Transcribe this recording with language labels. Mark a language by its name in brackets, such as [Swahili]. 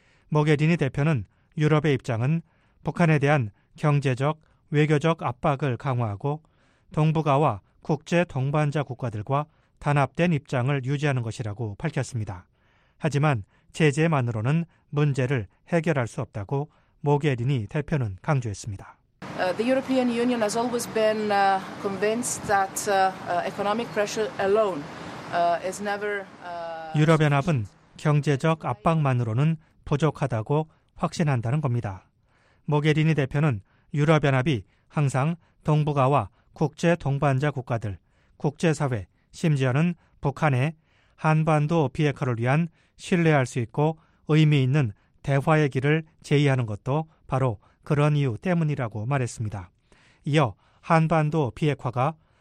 [Korean] 모게리니 대표는 유럽의 입장은 북한에 대한 경제적, 외교적 압박을 강화하고 동북아와 국제 동반자 국가들과 단합된 입장을 유지하는 것이라고 밝혔습니다. 하지만 제재만으로는 문제를 해결할 수 없다고 모게리니 대표는 강조했습니다. [English] The European Union has always been convinced that economic pressure alone is never [Korean] 유럽연합은 경제적 압박만으로는 부족하다고 확신한다는 겁니다. 모게리니 대표는 유럽연합이 항상 동북아와 국제 동반자 국가들, 국제사회, 심지어는 북한의 한반도 비핵화를 위한 신뢰할 수 있고 의미 있는 대화의 길을 제의하는 것도 바로 그런 이유 때문이라고 말했습니다. 이어 한반도 비핵화가